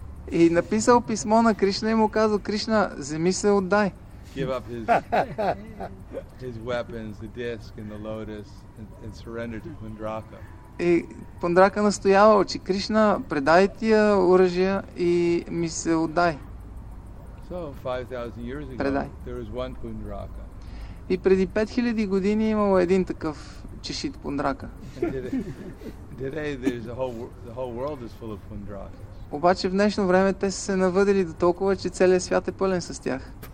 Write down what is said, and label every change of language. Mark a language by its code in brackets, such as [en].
[bg] И написал писмо на Кришна и му казал: Кришна, вземи се отдай. [en] Give up his, his weapons, the disc and the lotus, and surrender to Pundraka. [bg] И Пундрака настоявал, че Кришна, предай тия оръжия и ми се отдай. [en] So 5000 years ago, [bg] предай. [en] There was one Pundraka. [bg] И преди 5000 години имало един такъв чешит Пундрака. [en] Today there's the whole world is full of Pundrakas. [bg] Обаче в днешно време те са се навъдили до толкова, че целият свят е пълен с тях.